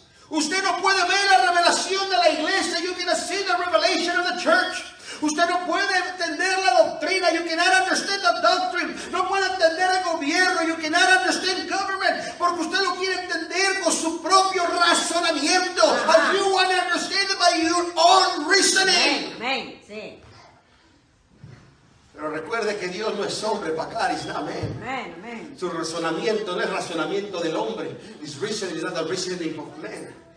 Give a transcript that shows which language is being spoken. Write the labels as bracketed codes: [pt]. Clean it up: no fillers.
[es] Usted no puede ver la revelación de la iglesia. [en] You cannot see the revelation of the church. [es] Usted no puede entender la doctrina. [en] You cannot understand the doctrine. [es] No puede entender el gobierno. [en] You cannot understand government. [es] Porque usted lo quiere entender con su propio razonamiento. [en] But you want to understand it by your own reasoning. [es] Amen. Sí. Pero recuerde que Dios no es hombre para caris. Amen. Amen. Su razonamiento no es razonamiento del hombre. [en] His reasoning is not the reasoning of man.